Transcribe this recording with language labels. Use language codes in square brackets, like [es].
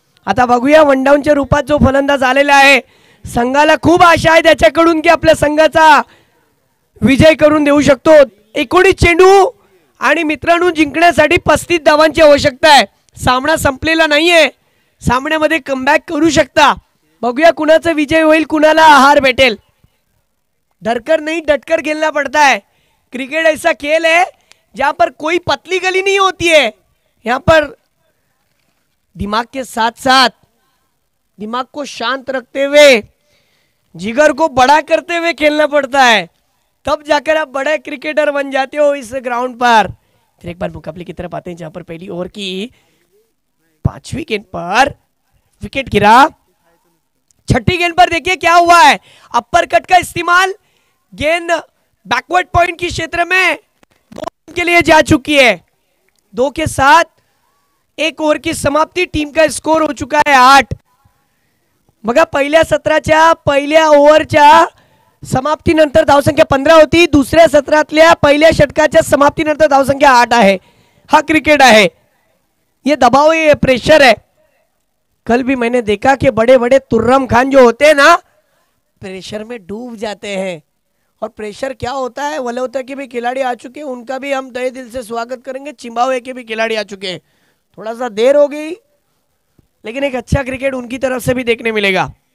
[mr] आता बघूया वनडाऊनच्या रूपात जो फलंदाज आलेला आहे, संघाला खूप आशा आहे त्याच्याकडून की आपल्या संघाचा विजय करून देऊ शकतो। 19 चेंडू आणि मित्रांनो जिंकण्यासाठी 35 धावांची आवश्यकता आहे, सामना संपलेला नाहीये, सामन्यामध्ये कमबॅक करू शकता। बघूया कुणाचा विजय होईल, कुणाला आहार भेटेल। डरकर नाही डटकर खेळणं [hi] पडता है, क्रिकेट ऐसा खेल है जहां पर कोई पतली गली नहीं होती है, यहां पर दिमाग के साथ साथ दिमाग को शांत रखते हुए जिगर को बड़ा करते हुए खेलना पड़ता है, तब जाकर आप बड़े क्रिकेटर बन जाते हो इस ग्राउंड पर। फिर एक बार मुकाबले की तरफ आते हैं जहां पर पहली ओवर की पांचवी गेंद पर विकेट गिरा, छठी गेंद पर देखिए क्या हुआ है, अपर कट का इस्तेमाल, गेंद बैकवर्ड पॉइंट के क्षेत्र में दो के लिए जा चुकी है। दो के साथ एक ओवर की समाप्ति, टीम का स्कोर हो चुका है 8। [mr] बघा पहिल्या सत्राच्या पहिल्या ओवरच्या समाप्ति नंतर धाव संख्या 15 होती, दुसऱ्या सत्रातल्या पहिल्या षटकाच्या समाप्ति नंतर धाव संख्या 8 आहे। हा क्रिकेट आहे, [hi] ये दबाव है, ये प्रेशर है। कल भी मैंने देखा कि बड़े बड़े तुर्रम खान जो होते हैं ना, प्रेशर में डूब जाते हैं। और प्रेशर क्या होता है, वाले होता है कि भी खिलाड़ी आ चुके हैं, उनका भी हम तहे दिल से स्वागत करेंगे। चिम्बावे के भी खिलाड़ी आ चुके हैं, थोड़ा सा देर हो गई लेकिन एक अच्छा क्रिकेट उनकी तरफ से भी देखने मिलेगा।